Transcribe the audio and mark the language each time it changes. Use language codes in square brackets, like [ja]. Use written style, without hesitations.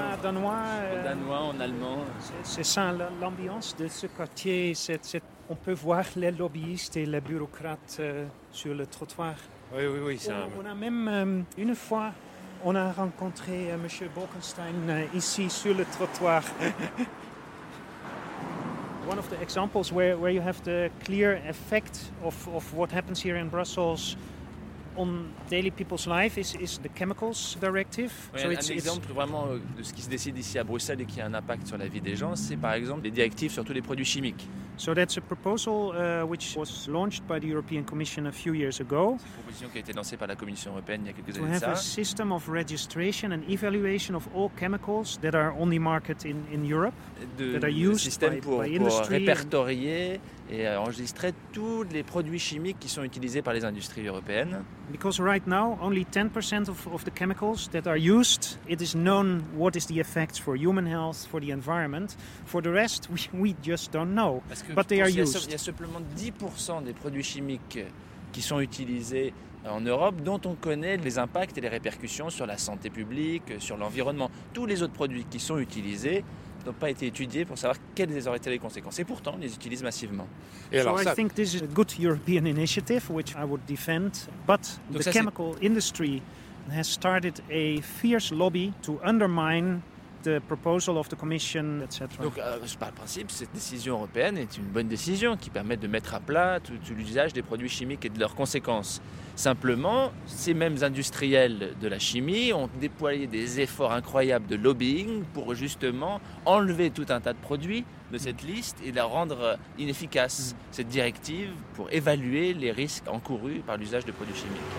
[fr] en danois, en allemand. C'est ça l'ambiance de ce quartier. On peut voir les lobbyistes et les bureaucrates sur le trottoir. Oui, ça. On a même, une fois, on a rencontré M. Bolkestein ici sur le trottoir. [en] One of the examples where you have the clear effect of what happens here in Brussels on daily people's life is the chemicals directive. [fr] Oui, so un exemple vraiment de ce qui se décide ici à Bruxelles et qui a un impact sur la vie des gens, c'est par exemple les directives sur tous les produits chimiques. [en] So that's a proposal which was launched by the European Commission a few years ago. [fr] C'est une proposition qui a été lancée par la Commission européenne il y a quelques années. [en] To have a system of registration and evaluation of all chemicals that are on the market in Europe that are used by industry. [fr] Pour répertorier et enregistrer tous les produits chimiques qui sont utilisés par les industries européennes. [en] Because right now only 10% of the chemicals that are used, it is known what is the effect for human health, for the environment. For the rest, we just don't know. But they are used. [fr] Il y a simplement 10% des produits chimiques qui sont utilisés en Europe dont on connaît les impacts et les répercussions sur la santé publique, sur l'environnement. Tous les autres produits qui sont utilisés n'ont pas été étudiés pour savoir quelles auraient été les conséquences. Et pourtant, on les utilise massivement. Et [en] alors, so I think this is a good European initiative, which I would defend. But the chemical industry has started a fierce lobby to undermine the proposal of the Commission, etc. [fr] Donc, par principe, cette décision européenne est une bonne décision qui permet de mettre à plat tout l'usage des produits chimiques et de leurs conséquences. Simplement, ces mêmes industriels de la chimie ont déployé des efforts incroyables de lobbying pour justement enlever tout un tas de produits de cette liste et la rendre inefficace, cette directive, pour évaluer les risques encourus par l'usage de produits chimiques.